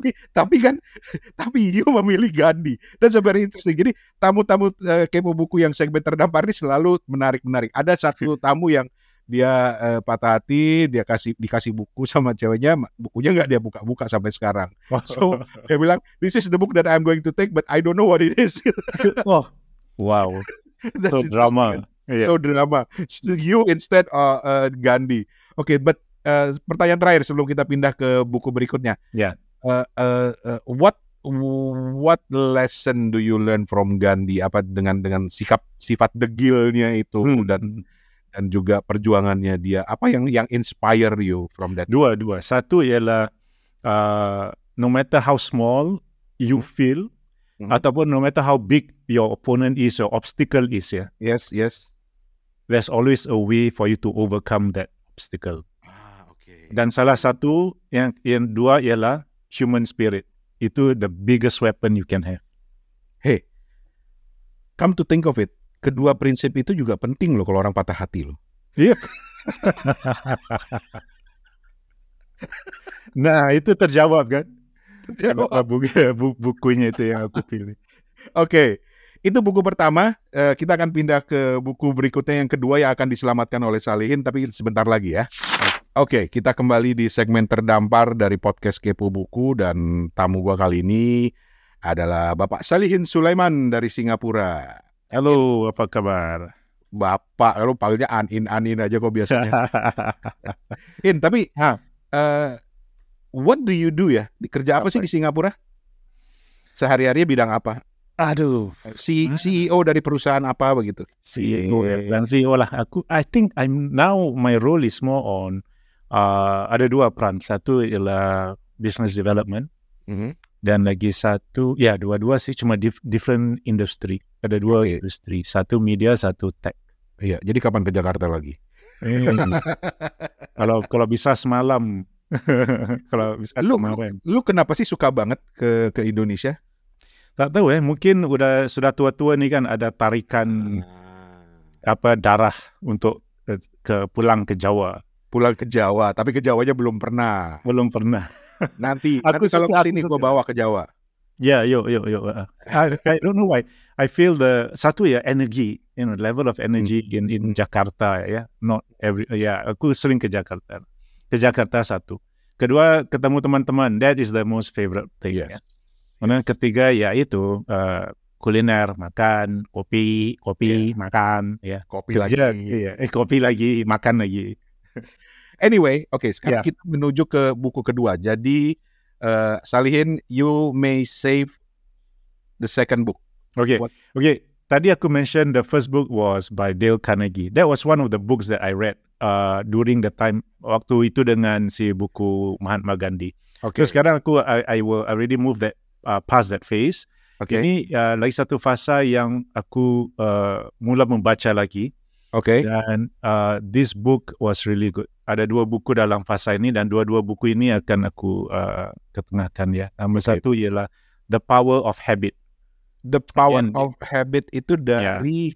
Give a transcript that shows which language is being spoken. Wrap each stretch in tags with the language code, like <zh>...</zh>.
<id>tapi you memilih Gandhi dan sebenarnya interesting. Jadi tamu-tamu Kepo Buku yang segmen terdampar ini selalu menarik. Ada satu tamu yang dia patah hati, dia dikasih buku sama ceweknya, bukunya nggak dia buka-buka sampai sekarang. So dia bilang,</id> <en>this is the book that I'm going to take, but I don't know what it is. Oh, wow. So drama. Yeah. So drama. So you instead of Gandhi.</en> <id>Okay, but pertanyaan terakhir sebelum kita pindah ke buku berikutnya.</id> <en>Yeah. What lesson do you learn from Gandhi?</en> <id>Apa dengan sikap, sifat degilnya itu dan juga perjuangannya dia. Apa yang</id> <en>inspire you from that?</en> <ms>Dua. Satu ialah</ms> <en>no matter how small you feel, ataupun no matter how big your opponent is or obstacle is, yeah. Yes. There's always a way for you to overcome that obstacle. Ah, okay.</en> <ms>Dan salah satu yang dua ialah human spirit.</ms> <en>Itu the biggest weapon you can have. Hey, come to think of it,</en> <id>kedua prinsip itu juga penting loh kalau orang patah hati loh. Iya. Nah, itu terjawab kan? Terjawab. Bukunya itu yang aku pilih. Okay. Itu buku pertama, kita akan pindah ke buku berikutnya yang kedua yang akan diselamatkan oleh Salihin, tapi sebentar lagi ya. Okay, kita kembali di segmen terdampar dari podcast Kepo Buku, dan tamu gua kali ini adalah Bapak Salihin Sulaiman dari Singapura. Halo, apa kabar? Bapak, lu panggilnya Anin aja kok biasanya. In, tapi</id> <en>what do you do</en> <id>ya? Kerja apa sih di Singapura? Sehari-harinya bidang apa? Aduh, CEO dari perusahaan apa begitu? CEO dan CEO lah.</id> <en>Aku, I think I'm now my role is more on</en> <ms>ada dua peran. Satu ialah business development, dan lagi satu, ya dua-dua sih, cuma</ms> <en>different industry.</en> <ms>Ada dua industry, satu media, satu tech.</ms> <id>Iya. Jadi kapan ke Jakarta lagi? kalau bisa semalam. Kalau bisa. Lu kenapa sih suka banget ke Indonesia?</id> <ms>Tak tahu ya, mungkin sudah tua-tua nih kan, ada tarikan apa darah untuk pulang ke Jawa, tapi ke Jawanya belum pernah.</ms> <id>Nanti aku kalau kali ini gua bawa ke Jawa. Ya, yuk.</id> <en>I don't know why I feel the satu ya, energy, you know, level of energy in Jakarta ya, yeah?</en> <ms>Aku sering ke Jakarta satu. Kedua, ketemu teman-teman,</ms> <en>that is the most favorite thing. Yes. Yeah?</en> <id>Kemudian ketiga yaitu kuliner, makan, kopi yeah. Makan, ya yeah. Kopi lagi, yeah. Kopi lagi, makan lagi. Anyway, okay, sekarang kita menuju ke buku kedua.</id> <en>Jadi Salihin, you may save the second book. Okay. Tadi aku mention the first book was by Dale Carnegie. That was one of the books that I read during the time</en> <ms>waktu itu dengan si buku</ms> <en>Mahatma Gandhi. Okay.</en> <ms>So sekarang aku</ms> <en>I already move that. Past that phase. Okay.</en> <ms>Ini lagi satu fasa yang aku mula membaca lagi.</ms> <en>Okay. Dan this book was really good.</en> <ms>Ada dua buku dalam fasa ini dan dua-dua buku ini akan aku ketengahkan ya.</ms> <en>Nomor okay.</en> <ms>satu ialah The Power of Habit.</ms> <en>The Power and, of Habit itu dari yeah.</en>